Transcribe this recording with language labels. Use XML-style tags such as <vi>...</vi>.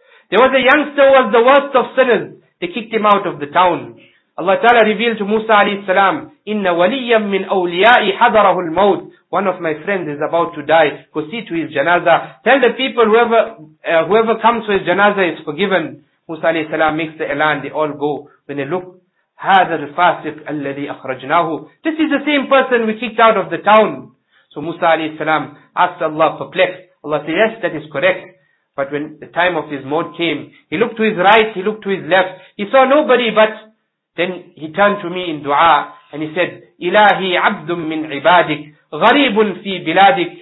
<en>There was a youngster who was the worst of sinners. They kicked him out of the town. Allah Ta'ala revealed to Musa alayhi salam,</en> <ar>Inna waliyam min awliya'i hadarahu al-maut.</ar> <en>One of my friends is about to die. Go see to his janazah. Tell the people whoever comes for his janazah is forgiven. Musa alayhi salam makes the elan, they all go. When they look,</en> <ar>هذا الفاسق الذي أخرجناه.</ar> <en>This is the same person we kicked out of the town. So Musa alayhi salam asked Allah, perplexed. Allah said, yes, that is correct. But when the time of his mort came, he looked to his right, he looked to his left. He saw nobody, but then he turned to me in dua and he said,</en> <ar>إلهي عبد من عبادك غريب في بلادك.</ar>